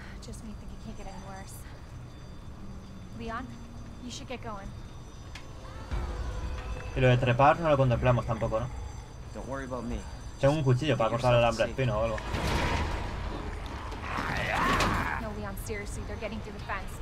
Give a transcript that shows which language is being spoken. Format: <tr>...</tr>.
<en>Just me thinking it can't get any worse. Leon, you should get going.</en> <es>Y lo de trepar no lo contemplamos tampoco, ¿no?</es> <en>Don't worry about me.</en> <es>Tengo un cuchillo para cortar el alambre espino o algo.</es> <en>No, Leon, seriously, they're getting through the fence.</en>